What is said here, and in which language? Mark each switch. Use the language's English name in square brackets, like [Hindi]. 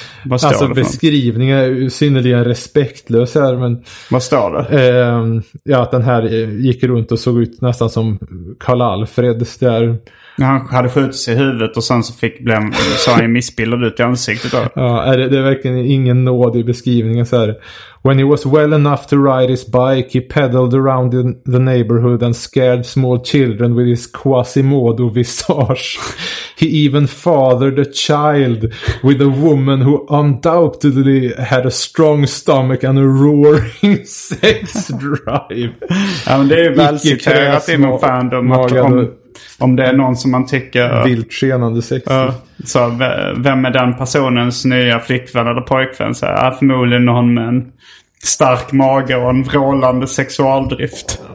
[Swedish] Alltså beskrivningen är synnerligen respektlös här, men... Vad står det? Ja, att den här gick runt och såg ut nästan som Karl Alfred där. När han hade skjutit sig i huvudet och sen så såg han missbildad ut i ansiktet. Då. Ja, det är verkligen ingen nåd i beskrivningen så här. [English] When he was well enough to ride his bike, he pedaled around in the neighborhood and scared small children with his Quasimodo visage. He even fathered a child with a woman who undoubtedly had a strong stomach and a roaring sex drive. [Swedish] Ja, men det är väl citerat inom fandom om det är någon som man tycker... Vilt skenande sex. Så vem är den personens nya flickvän eller pojkvän? Så här, förmodligen någon med en stark mage och en vrålande sexualdrift.